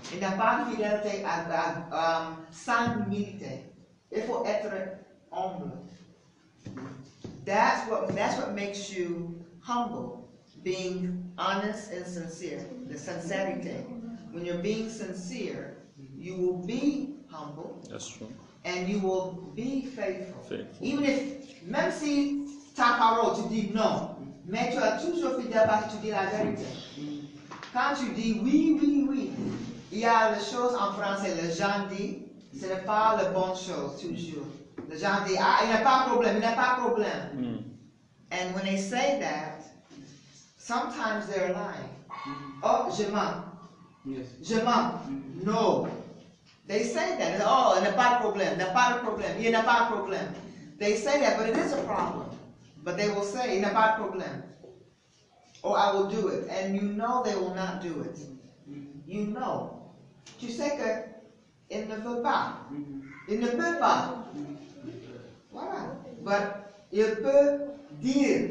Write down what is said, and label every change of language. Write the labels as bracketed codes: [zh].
[fr] Il n'y a pas de fidélité sans humilité. Il faut être humble. [en] That's what makes you humble, being honest and sincere. The sincerity. When you're being sincere, you will be humble. That's true. And you will be faithful. Faithful. Even if, [fr] même si ta parole, tu dis non. Mais tu as toujours fidèle parce que tu dis la vérité. Quand tu dis oui, oui, oui, il y a les choses en français, les gens disent, ce n'est pas la bonne chose toujours. Les gens disent, ah, il n'y a pas de problème, il n'y a pas de problème. Mm. [en] And when they say that, sometimes they're lying. [fr] Mm. Oh, je mens. [en] Yes. [fr] Je mens. [en] Mm-hmm. No. They say that. [fr] Oh, il n'y a pas de problème, il n'y a pas de problème, il n'y a pas de problème. [en] They say that, but it is a problem. But they will say, [fr] il n'y a pas de problème. [en] Oh, I will do it. And you know they will not do it. Mm-hmm. You know. [fr] Tu sais que, il ne veut pas. Mm-hmm. Il ne peut pas. Mm-hmm. Voilà. [en] But [fr] il peut dire.